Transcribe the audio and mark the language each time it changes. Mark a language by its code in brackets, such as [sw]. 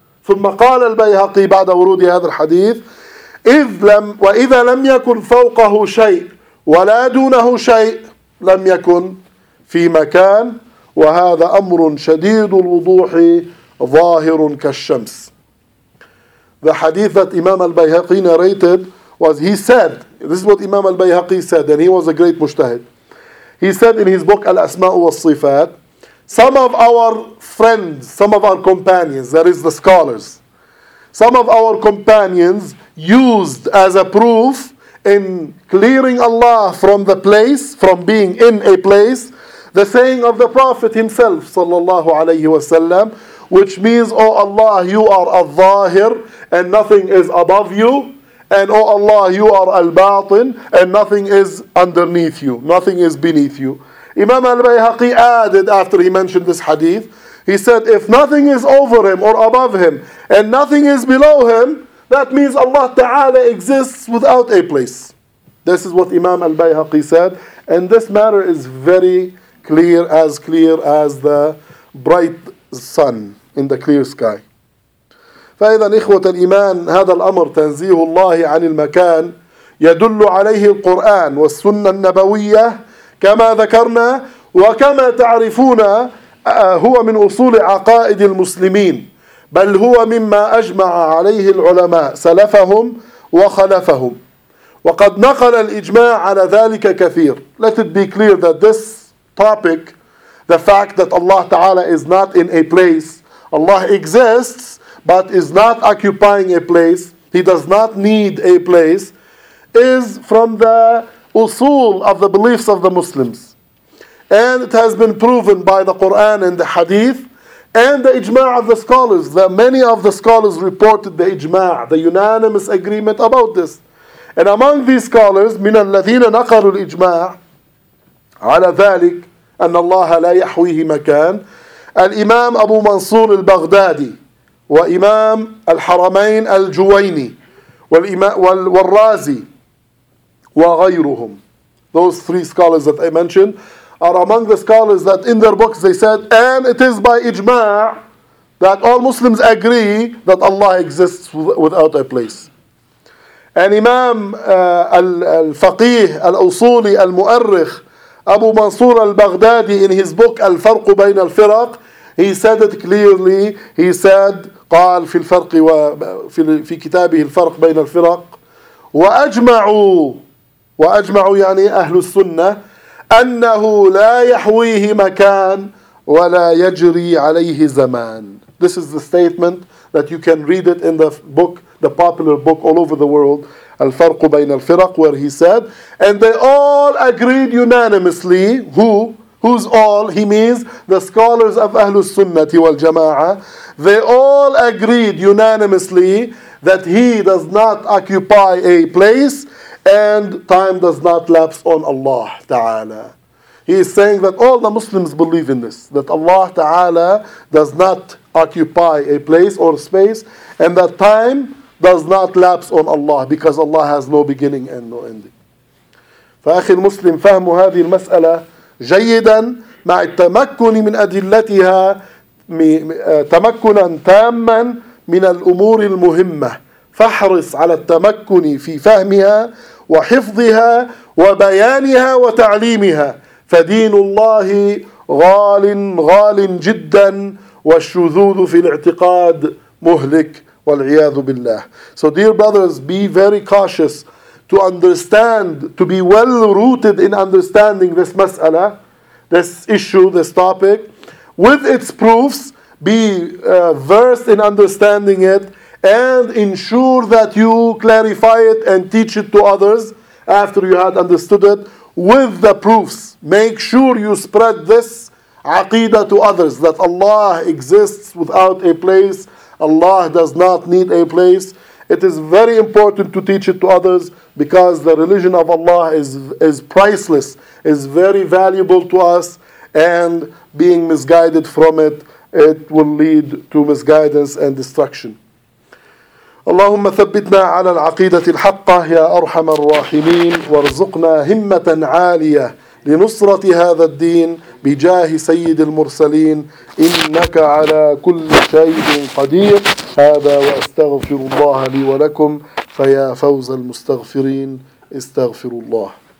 [ar] ثم قال البيهقي بعد ورود هذا الحديث وإذا لم يكن فوقه شيء ولا دونه شيء لم يكن في مكان، وهذا أمر شديد الوضوح ظاهر كالشمس. [en] The hadith that Imam al-Bayhaqi narrated was, he said, this is what Imam al-Bayhaqi said, and he was a great mujtahid. He said in his book Al-Asma'u wa-Sifat, some of our friends, some of our companions, that is the scholars, some of our companions used as a proof in clearing Allah from the place, from being in a place, the saying of the Prophet himself, sallallahu alayhi wa sallam, which means, O Allah, you are al-Zahir, and nothing is above you, and O Allah, you are al-Batin, and nothing is underneath you, nothing is beneath you. Imam al-Bayhaqi added, after he mentioned this hadith, he said, if nothing is over him or above him, and nothing is below him, that means Allah Ta'ala exists without a place. This is what Imam al-Bayhaqi said, and this matter is very clear as the bright sun in the clear sky. [ar] فإذا إخوة الإيمان هذا الأمر تنزيه الله عن المكان يدل عليه القرآن والسنة النبوية كما ذكرنا، وكما تعرفون هو من أصول عقائد المسلمين، بل هو مما أجمع عليه العلماء سلفهم وخلفهم، وقد نقل الإجماع على ذلك كثير. [en] Let it be clear that this topic, the fact that Allah Ta'ala is not in a place, Allah exists but is not occupying a place, He does not need a place, is from the usul of the beliefs of the Muslims. And it has been proven by the Quran and the Hadith and the ijma' of the scholars, that many of the scholars reported the ijma', the unanimous agreement about this. And among these scholars, [ar] من الذين نقلوا الإجماع على ذلك أن الله لا يحويه مكان، الإمام أبو منصور البغدادي، وإمام الحرمين الجويني، والرازي، وغيرهم. [en] Those three scholars that I mentioned are among the scholars that in their books they said, and it is by إجماع that all Muslims agree that Allah exists without a place. And Imam al-Faqih al-Usuli al-Mu'arrikh Abu Mansur al-Baghdadi, in his book Al-Farq Bayn al-Firaq, he said it clearly. He said, [ar] قال في الفرق وفي كتابه الفرق بين الفرق وأجمعوا يعني أهل السنة أنه لا يحويه مكان ولا يجري عليه زمان. [en] This is the statement that you can read it in the book, the popular book all over the world, الفرق بين الفرق, where he said, and they all agreed unanimously. Who's all? He means the scholars of Ahlus Sunnah wal Jama'ah. They all agreed unanimously that he does not occupy a place and time does not lapse on Allah Ta'ala. He is saying that all the Muslims believe in this, that Allah Ta'ala does not occupy a place or space, and that time does not lapse on Allah, because Allah has no beginning and no ending. [ar] فأخي المسلم فهم هذه المسألة جيدا مع التمكن من أدلتها تمكنا تاما من الأمور المهمة، فاحرص على التمكن في فهمها وحفظها وبيانها وتعليمها، فدين الله غال غال جدا، والشذوذ في الاعتقاد مهلك والعياذ بالله. [en] So dear brothers, be very cautious to understand, to be well rooted in understanding this mas'ala, this issue, this topic, with its proofs, be versed in understanding it, and ensure that you clarify it and teach it to others after you had understood it with the proofs. Make sure you spread this aqeedah to others, that Allah exists without a place, Allah does not need a place. It is very important to teach it to others, because the religion of Allah is priceless, is very valuable to us, and being misguided from it, it will lead to misguidance and destruction. [ar] اللهم ثبتنا على العقيدة الحقة يا أرحم الراحمين وارزقنا همة عالية لنصرة هذا الدين بجاه سيد المرسلين إنك على كل شيء قدير هذا وأستغفر الله لي ولكم فيا فوز المستغفرين استغفر الله.